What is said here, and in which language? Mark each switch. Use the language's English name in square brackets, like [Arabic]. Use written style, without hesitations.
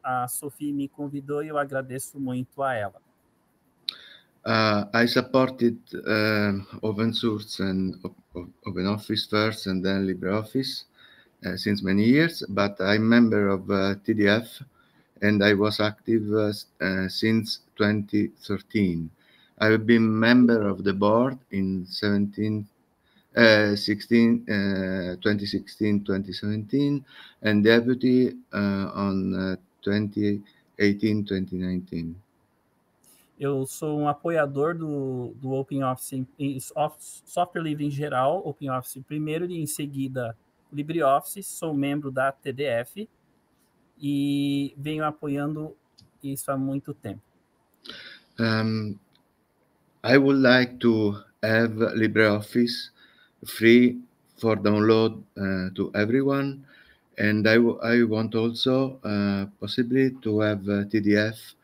[Portuguese] A Sophie me convidou e eu agradeço muito a ela. [English] I supported open source and open office first and then LibreOffice since many years, but I'm a member of TDF and I was active since 2013. I have been member of the board in 2016-2017 and deputy on 2018-2019. [Portuguese] Eu sou um apoiador do OpenOffice, software livre em geral, OpenOffice primeiro e em seguida LibreOffice. Sou membro da TDF e venho apoiando isso há muito tempo. [English] I would like to have LibreOffice free for download to everyone, and I want also possibly to have TDF.